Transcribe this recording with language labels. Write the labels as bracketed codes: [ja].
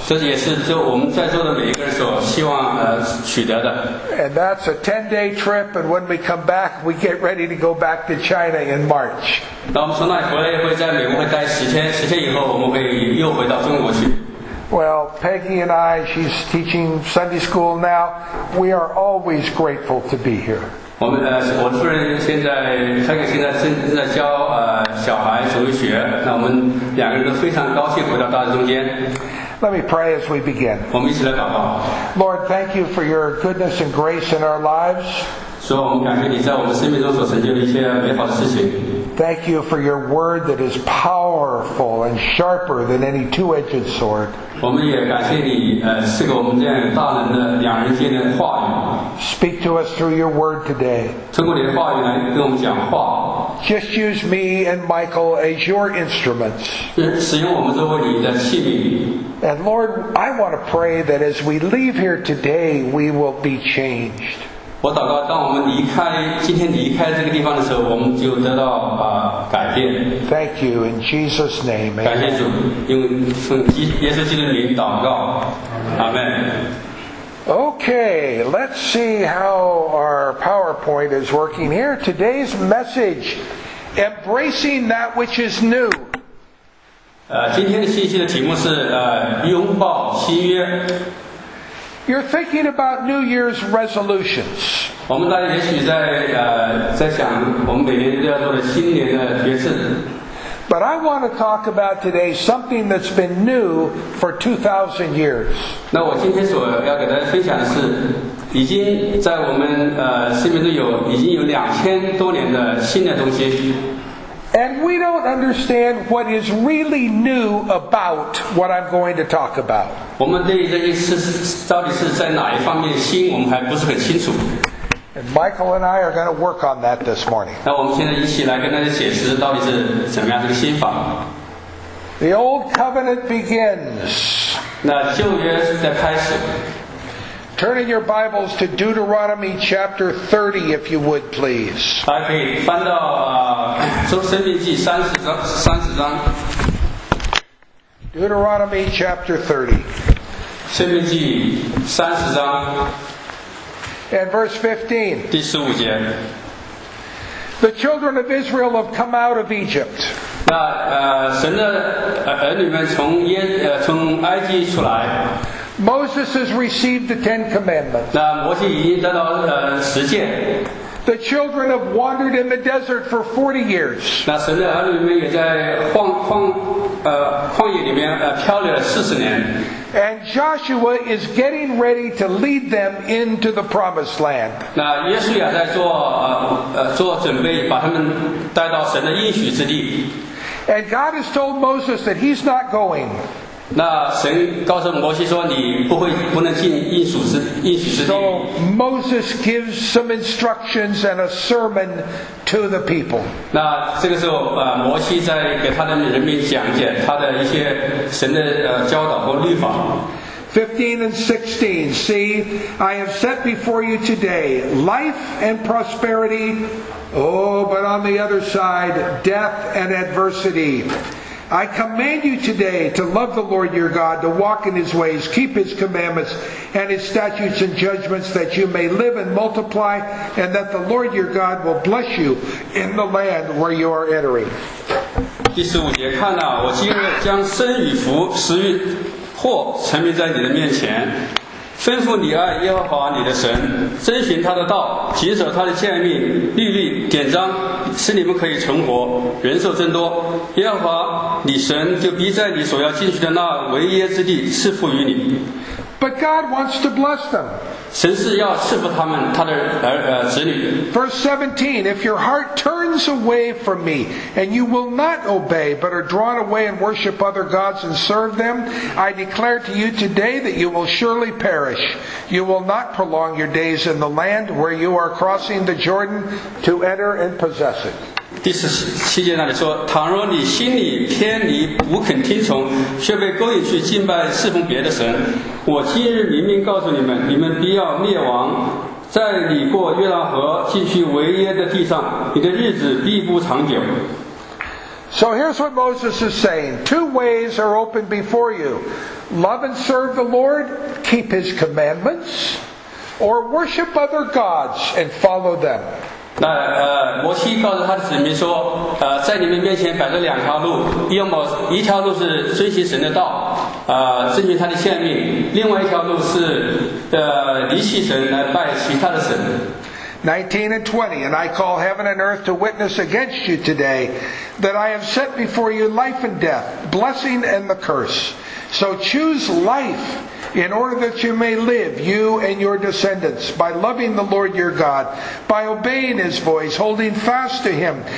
[zh] 这也是就我们在座的每一个人所希望取得的。 [en] And that's a 10-day trip, and when we come back, we get ready to go back to China in March. [zh] 那我们从那里回来会在美国会待十天，十天以后我们会又回到中国去。 [en] Well, Peggy and I, she's teaching Sunday school now. We are always grateful to be here. [zh] 我夫人现在，她给现在教小孩主日学，那我们两个人都非常高兴回到大家中间。 [en] Let me pray as we begin. [zh] 我们一起来祷告。 [en] Lord, thank you for your goodness and grace in our lives. [zh] 主，我们感谢你在我们生命中所成就的一些美好的事情。 [en] Thank you for your word that is powerful and sharper than any two-edged sword. [zh] 我们也感谢你，赐给我们这样大能的两刃剑的话语。 [en] Speak to us through your word today. [zh] 通过你的话语来跟我们讲话。 [en] Just use me and Michael as your instruments. [zh] 使用我们作为你的器皿。 [en] And Lord, I want to pray that as we leave here today, we will be changed. [zh] 我祷告，当我们离开今天离开这个地方的时候，我们就得到改变。 [en] Thank you in Jesus' name. [zh] 感谢主，因为奉耶稣基督的名祷告，阿门。 [en] Okay, let's see how our PowerPoint is working here. Today's message: embracing that which is new. [zh] 今天的信息的题目是拥抱新约。 [en] You're thinking about New Year's resolutions. [zh] 我们大家也许在想我们每年都要做的新年的决策。 [en] But I want to talk about today something that's been new for 2,000 years. [zh] 那我今天所要给大家分享的是，已经在我们生命中已经有2000多年的新的东西。 [en] And we don't understand what is really new about what I'm going to talk about. [zh] 我们对这件事到底是在哪一方面新，我们还不是很清楚。 [en] And Michael and I are going to work on that this morning. [zh] 那我们现在一起来跟大家解释到底是怎么样这个新法。 [en] The old covenant begins. [zh] 那旧约在开始。 [en] Turn in your Bibles to Deuteronomy chapter 30, if you would, please. [zh] 大家可以翻到生命记三十章。 [en] Deuteronomy chapter 30. [zh] 生命记三十章。 [en] And verse 15. [zh] 第十五节。 [en] The children of Israel have come out of Egypt. [zh] 那神的儿女们从埃及出来。 [en] Moses has received the Ten Commandments. [zh] 那摩西已经得到十诫。 [en] The children have wandered in the desert for 40 years. [zh] 那神的儿女们也在旷野里面漂流了四十年。 [en] And Joshua is getting ready to lead them into the Promised Land. [zh] 那约书亚在做准备，把他们带到神的应许之地。 [en] And God has told Moses that he's not going. [zh] 那神告诉摩西说你不能进应许之地。 [en] So Moses gives some instructions and a sermon to the people. [zh] 那这个时候摩西在给他的人民讲解他的一些神的教导和律法。 [en] 15 and 16, see, I have set before you today life and prosperity, oh, but on the other side, death and adversity. I command you today to love the Lord your God, to walk in his ways, keep his commandments and his statutes and judgments, that you may live and multiply, and that the Lord your God will bless you in the land where you are entering. [zh] 第十五节，看啊，我今日将生与福、死与祸陈明在你的面前，吩咐你爱耶和华你的神，遵循他的道，谨守他的诫命、律例、典章，使你们可以存活，人寿增多。耶和华你神就必在你所要进去的那为业之地赐福于你。 [en] But God wants to bless them. [zh] 神是要赐福他们他的儿子女。 [en] Verse 17, if your heart turns away from me, and you will not obey, but are drawn away and worship other gods and serve them, I declare to you today that you will surely perish. You will not prolong your days in the land where you are crossing the Jordan to enter and possess it. [zh] 第十七节那里说，倘若你心里偏离，不肯听从，却被勾引去敬拜侍奉别的神，我今日明明告诉你们，你们必要灭亡，在你过约旦河进去为耶的地上，你的日子必不长久。 [en] So here's what Moses is saying. Two ways are open before you. Love and serve the Lord, keep his commandments, or worship other gods and follow them. [zh] 那摩西告诉他的子民说，在你们面前摆着两条路，一条路是遵循神的道，遵循他的诫命；另外一条路是离弃神来拜其他的神。 [en] 19 and 20, and I call heaven and earth to witness against you today that I have set before you life and death, blessing and the curse. So choose life. In order that you may live, you and your descendants, by loving the Lord your God, by obeying his voice, holding fast to him.